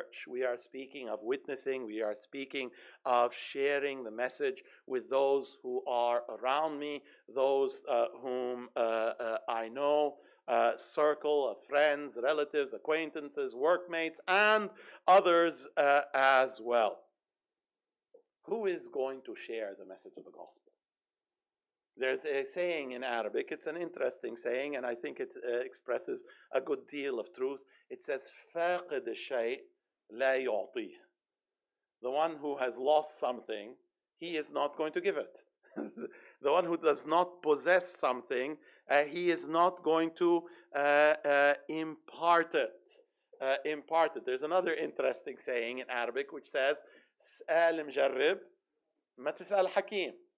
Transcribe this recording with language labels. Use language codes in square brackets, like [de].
[en] We are speaking of witnessing. We are speaking of sharing the message with those who are around me, those whom I know, circle of friends, relatives, acquaintances, workmates, and others as well. Who is going to share the message of the gospel? There's a saying in Arabic. It's an interesting saying, and I think it expresses a good deal of truth. It says, [ar] فاقد الشيء لا يعطي. [en] The one who has lost something, he is not going to give it. The one who does not possess something, he is not going to impart it. There's another interesting saying in Arabic which says, [ar] اسأل مجرب ما تسأل حكيم.